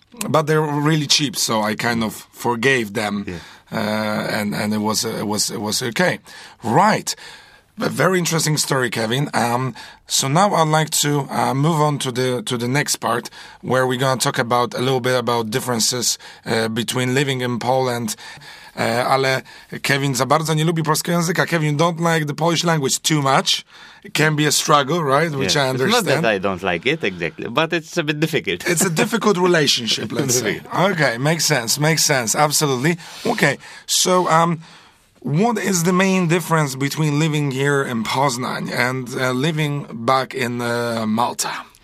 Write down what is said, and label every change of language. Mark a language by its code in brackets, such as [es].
[en] But they're really cheap, so I kind of forgave them, and it was okay. Right, a very interesting story, Kevin. So now I'd like to move on to the next part, where we're going to talk about a little bit about differences between living in Poland. [pl] Ale Kevin za bardzo nie lubi polskiego języka. [en] Kevin don't like the Polish language too much. It can be a struggle, right? Which yes. I understand. It's not that I don't like it exactly, but it's a bit difficult. It's a difficult relationship, let's say. Okay, makes sense, absolutely. Okay, so what is the main difference between living here in Poznań and living back in Malta?